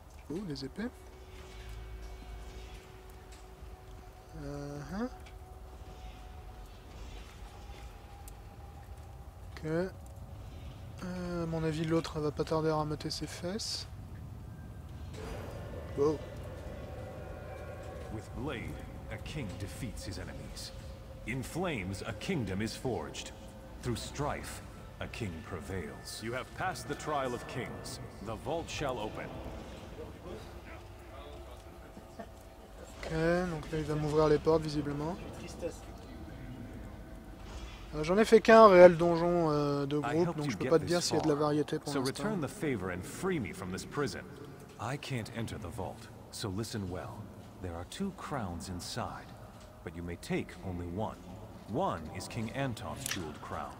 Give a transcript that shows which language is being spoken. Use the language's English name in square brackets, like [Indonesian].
[French] Ouh, des épées. Ok. À mon avis, l'autre va pas tarder à ramoter ses fesses. Wow. [English] With blade, a king defeats his enemies. In flames, a kingdom is forged. Through strife, a king prevails. You have passed the trial of kings. The vault shall open. [French] Ok, donc là il va m'ouvrir les portes visiblement. J'en ai fait qu'un réel donjon de groupe, donc je peux pas te dire s'il y a de la variété pour l'instant. [English] Return the favor and free me from this prison. I can't enter the vault, so listen well. There are two crowns inside. But you may take only one. One is King Anton's jeweled crown.